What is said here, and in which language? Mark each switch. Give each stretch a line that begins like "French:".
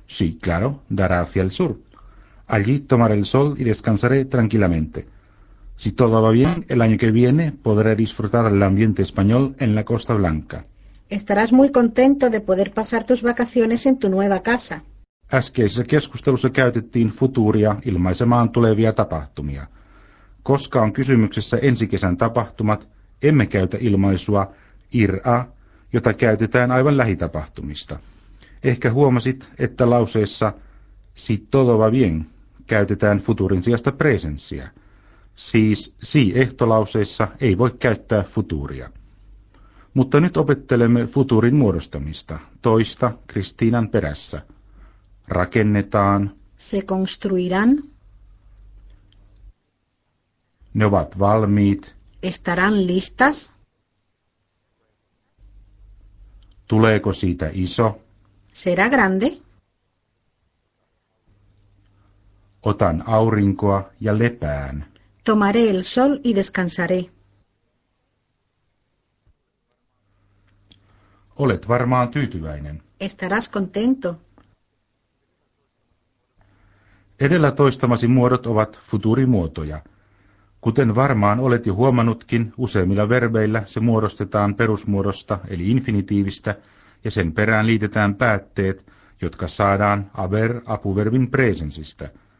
Spanish: Sí, claro, dará hacia el sur. Allí tomaré el sol y descansaré tranquilamente. Si todo va bien, el año que viene podré disfrutar del ambiente español en la Costa Blanca. Estarás muy contento de poder pasar tus vacaciones en tu nueva casa.
Finnish: Äskeisessä keskustelussa käytettiin futuria ilmaisemaan tulevia tapahtumia. Koska on kysymyksessä ensi kesän tapahtumat, emme käytä ilmaisua ir-a, jota käytetään aivan lähitapahtumista. Ehkä huomasit, että lauseessa
Spanish: si todo va bien
Finnish: käytetään futurin sijasta presenssiä. Siis si-ehtolauseessa ei voi käyttää futuria. Mutta nyt opettelemme futurin muodostamista, toista Kristiinan perässä. Rakennetaan.
Spanish: Se construirán.
Finnish: Ne ovat valmiit.
Spanish: Estarán listas.
Finnish: Tuleeko siitä iso?
Spanish: Será grande.
Finnish: Otan aurinkoa ja lepään.
Spanish: Tomaré el sol y descansaré.
Finnish: Olet varmaan tyytyväinen.
Spanish: Estarás contento.
Finnish: Edellä toistamasi muodot ovat futurimuotoja. Kuten varmaan olet jo huomannutkin, useimmilla verbeillä se muodostetaan perusmuodosta, eli infinitiivistä, ja sen perään liitetään päätteet, jotka saadaan aver-apuverbin presensistä.